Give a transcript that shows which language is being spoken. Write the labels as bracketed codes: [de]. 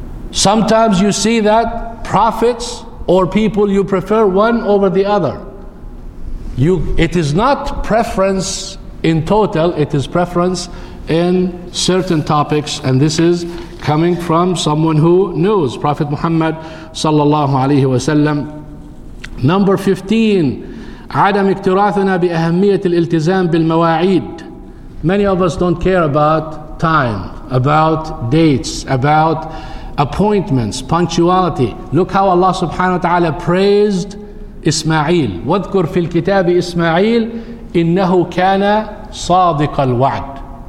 [en] Sometimes you see that prophets or people, you prefer one over the other. It is not preference in total, it is preference in certain topics, and this is coming from someone who knows Prophet Muhammad sallallahu alaihi wasallam. Number 15, [ar] عدم اكتراثنا بأهمية الالتزام بالمواعيد. [en] Many of us don't care about time, about dates, about appointments, punctuality. Look how Allah subhanahu wa ta'ala praised Ismail. [ar] وَذْكُرْ فِي الْكِتَابِ إِسْمَعِيلِ إِنَّهُ كَانَ صَادِقَ الْوَعْدِ.